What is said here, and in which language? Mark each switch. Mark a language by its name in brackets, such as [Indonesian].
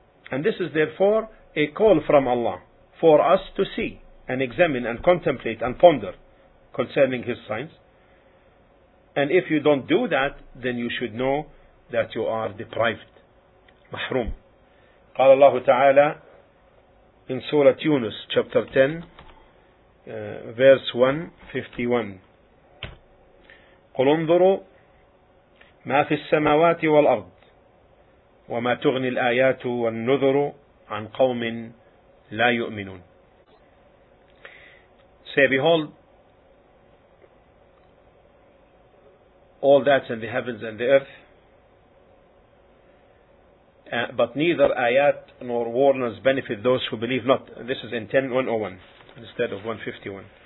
[English] And this is therefore a call from Allah for us to see and examine and contemplate and ponder concerning His signs. And if you don't do that, then you should know that you are deprived. [Arabic] Mahrum. Qala Allahu Ta'ala [English] in Surah Yunus chapter 10 verse 151, [Arabic] قُلْ انظُرُوا مَا فِي السَّمَاوَاتِ وَالْأَرْضِ وَمَا تُغْنِي الْآيَاتُ وَالنُّذُرُ عَنْ قَوْمٍ لَا يُؤْمِنُونَ. [English] Say, behold all that's in the heavens and the earth, but neither ayat nor warnings benefit those who believe not. This is in 10.101 instead of 151.